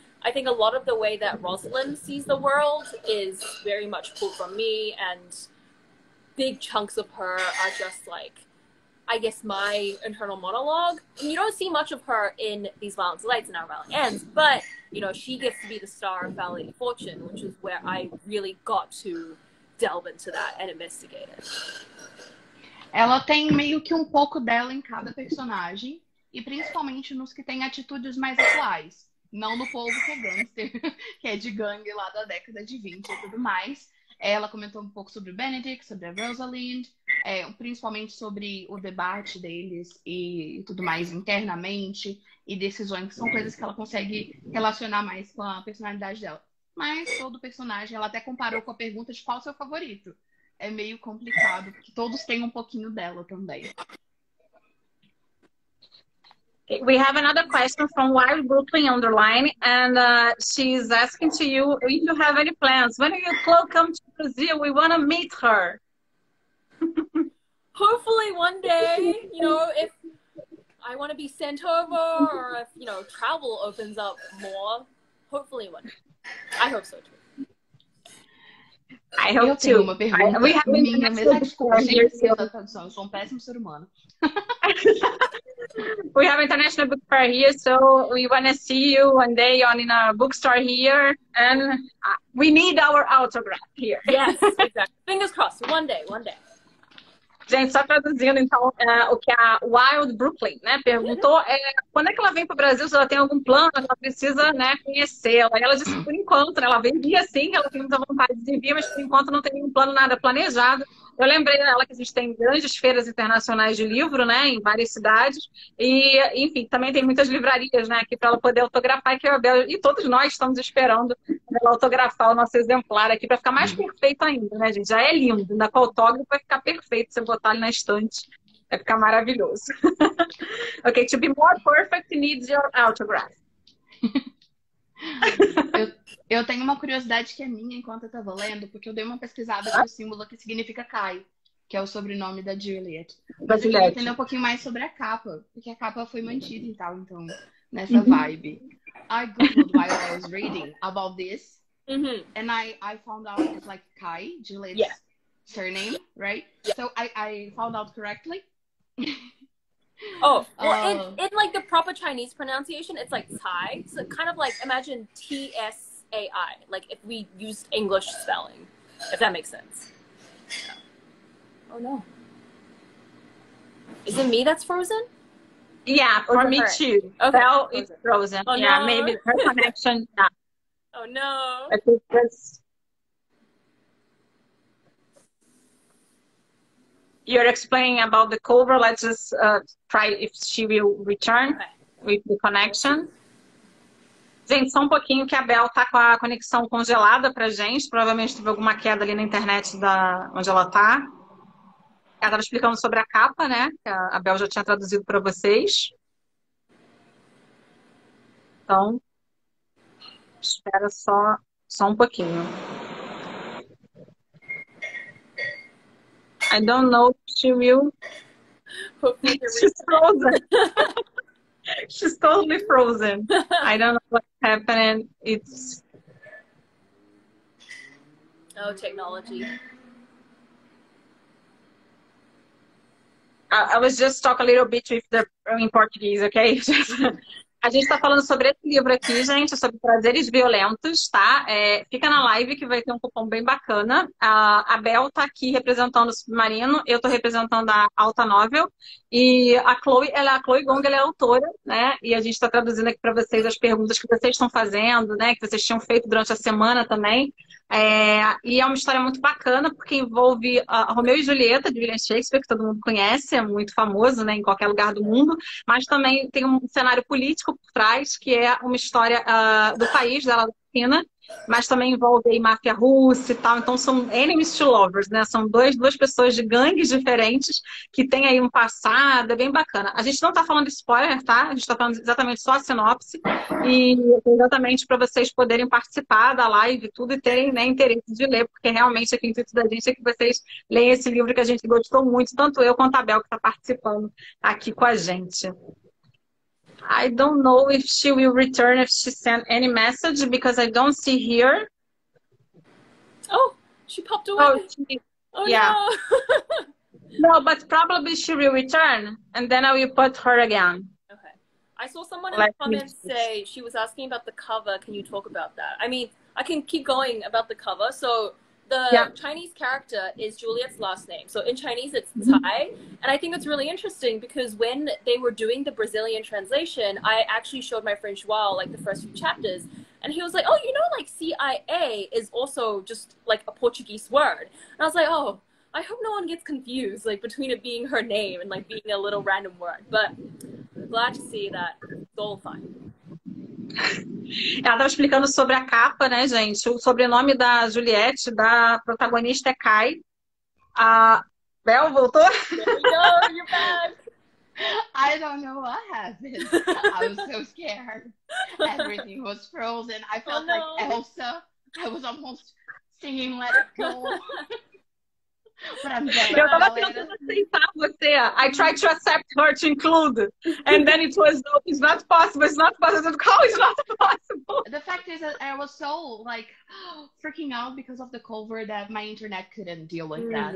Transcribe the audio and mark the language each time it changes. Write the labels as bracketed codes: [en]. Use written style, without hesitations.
[en] I think a lot of the way that Rosalind sees the world is very much pulled from me, and big chunks of her are just like, I guess, my internal monologue. And you don't see much of her in These Violent Delights and Our Violent Ends, but, you know, she gets to be the star of Valley of Fortune, which is where I really got to delve into that and investigate it. [pt] Ela tem meio que pouco dela em cada personagem, e principalmente nos que têm atitudes mais atuais. Não no povo que é gangster, que é de gangue lá da década de 20 e tudo mais. Ela comentou pouco sobre o Benedict, sobre a Rosalind, principalmente sobre o debate deles e tudo mais internamente, e decisões que são coisas que ela consegue relacionar mais com a personalidade dela. Mas todo personagem, ela até comparou com a pergunta de qual o seu favorito. É meio complicado, porque todos têm pouquinho dela também. [en] We have another question from Wild Brooklyn Underline, and she's asking to you if you have any plans. When are you close come to Brazil? We want to meet her. Hopefully one day, you know, if I want to be sent over or if, you know, travel opens up more, hopefully one day. I hope so, too. I hope too. We have been in the middle of the year. We have international book fair here, so we want to see you one day in a bookstore here, and we need our autograph here. Yes, exactly. Fingers crossed. One day. [pt] Gente, só traduzindo, então, o que a Wild Brooklyn, né, perguntou, quando é que ela vem para o Brasil, se ela tem algum plano, ela precisa, né, conhecê-la. E ela disse, por enquanto, né, ela vem via sim, ela tem muita vontade de vir, mas por enquanto não tem nenhum plano, nada planejado. Eu lembrei dela que a gente tem grandes feiras internacionais de livro, né, em várias cidades. E, enfim, também tem muitas livrarias, né, aqui para ela poder autografar, que é a Bela. E todos nós estamos esperando ela autografar o nosso exemplar aqui para ficar mais perfeito ainda, né, gente? Já é lindo. Ainda com o autógrafo vai ficar perfeito se eu botar ele na estante. Vai ficar maravilhoso. [en] Ok, to be more perfect needs your autograph. [pt] Eu tenho uma curiosidade que é minha enquanto eu tava lendo, porque eu dei uma pesquisada no símbolo que significa Kai, que é o sobrenome da Juliet. Mas eu queria entender um pouquinho mais sobre a capa, porque a capa foi mantida e tal, então, nessa vibe. [en] I googled while I was reading about this, and I found out it's like Kai, Juliet's surname, right? Yeah. So I found out correctly. Oh, well, in like the proper Chinese pronunciation, it's like Tsai. So kind of like, imagine T-S-A-I, like if we used English spelling, if that makes sense. Oh, no. Is it me that's frozen? Yeah, for me too. Okay. Well, it's frozen. Oh, yeah, no. Maybe her connection. Yeah. Oh, no. I think that's... You're explaining about the cover. Let's just try if she will return with the connection. [pt] Gente, só um pouquinho que a Bel tá com a conexão congelada pra gente. Provavelmente teve alguma queda ali na internet da onde ela tá. Ela tava explicando sobre a capa, né? Que a Bel já tinha traduzido para vocês. Então, espera só um pouquinho. [en] I don't know if she will. She's frozen. She's totally frozen. I don't know what's happening. It's... Oh, technology. I was just talking a little bit with the in Portuguese, okay? [pt] A gente tá falando sobre esse livro aqui, gente, sobre Prazeres Violentos, tá? É, fica na live que vai ter um cupom bem bacana. A Bel tá aqui representando o Submarino, eu tô representando a Alta Novel. E a Chloe Gong, ela é autora, né? E a gente tá traduzindo aqui para vocês as perguntas que vocês estão fazendo, né? Que vocês tinham feito durante a semana também. É, e é uma história muito bacana, porque envolve a Romeu e Julieta, de William Shakespeare, que todo mundo conhece, é muito famoso, né, em qualquer lugar do mundo, mas também tem um cenário político por trás, que é uma história do país, da Latina, mas também envolve aí máfia russa e tal, então são enemies to lovers, né, são duas pessoas de gangues diferentes, que tem aí um passado, é bem bacana. A gente não tá falando spoiler, tá, a gente tá falando exatamente só a sinopse, e exatamente para vocês poderem participar da live e tudo, e terem, né, interesse de ler, porque realmente aqui o intuito da gente é que vocês leem esse livro que a gente gostou muito, tanto eu quanto a Bel, que tá participando aqui com a gente. [en] I don't know if she will return if she sent any message because I don't see here. Oh, she popped away. Oh, No. No, but probably she will return and then I will put her again. Okay. I saw someone in the comments say she was asking about the cover. Can you talk about that? I mean, I can keep going about the cover. So the Chinese character is Juliet's last name. So in Chinese, it's Tsai. And I think it's really interesting because when they were doing the Brazilian translation, I actually showed my friend Joao like the first few chapters. And he was like, oh, you know, like CIA is also just like a Portuguese word. And I was like, oh, I hope no one gets confused like between it being her name and like being a little random word. But glad to see that it's all fine. [pt] Ela estava explicando sobre a capa, né, gente? O sobrenome da Juliette, da protagonista, é Kai. A Bel voltou? [en] No, you're back. I don't know what happened. I was so scared. Everything was frozen. I felt like Elsa. I was almost singing Let It Go. [pt] Eu tava tentando aceitar você. [en] I tried to accept her to include. And then it was, no, it's not possible. It's not possible. The call is not possible. The fact is that I was so, like, freaking out because of the cover that my internet couldn't deal with that.